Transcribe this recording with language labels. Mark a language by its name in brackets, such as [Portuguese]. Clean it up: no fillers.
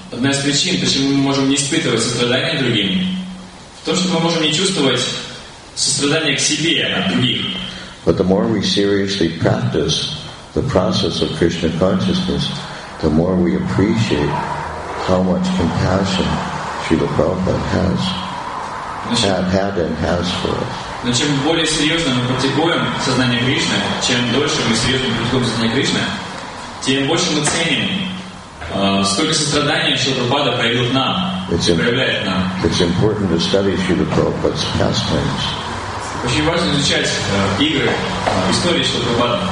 [Russian] Одна из причин, почему мы можем не испытывать сострадание другим, в том, что мы можем не чувствовать сострадание к себе, а к другим. [English] But the more we seriously practice the process of Krishna consciousness, the more we appreciate how much compassion Srila Prabhupada has had and has for us. [Russian] Но чем более серьезно мы практикуем сознание Кришны, чем дольше мы серьезно практикуем сознание Кришны, тем больше мы ценим столько сострадания Шрила Прабхупада проявил нам, проявляет нам. [English] It's important to study Shrila Prabhupada's pastimes. [Russian] Очень важно изучать игры, истории Шрила Прабхупада.